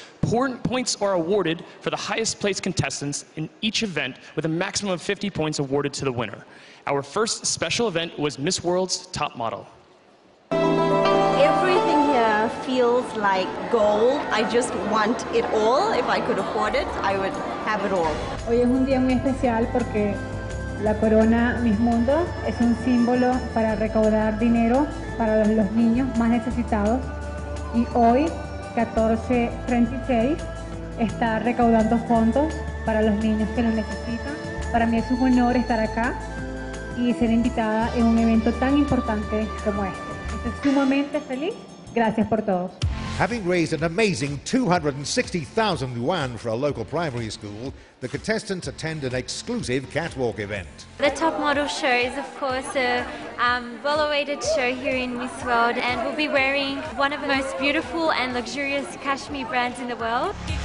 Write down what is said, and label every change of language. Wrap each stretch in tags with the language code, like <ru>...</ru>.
<en>Points are awarded for the highest-placed contestants in each event, with a maximum of 50 points awarded to the winner. Our first special event was Miss World's Top Model. Everything here feels like gold. I just want it all. If I could afford it, I would have it all.</en> <es>Hoy es un día muy especial porque la corona Miss Mundo es un símbolo para recaudar dinero para los niños más necesitados. Y hoy, 1436, está recaudando fondos para los niños que lo necesitan. Para mí es un honor estar acá y ser invitada en un evento tan importante como este. Estoy sumamente feliz. Gracias por todo.</es> <en>Having raised an amazing 260,000 yuan for a local primary school, the contestants attend an exclusive catwalk event. The Top Model Show is, of course, a well-awaited show here in Miss World, and we'll be wearing one of the most beautiful and luxurious cashmere brands in the world.</en>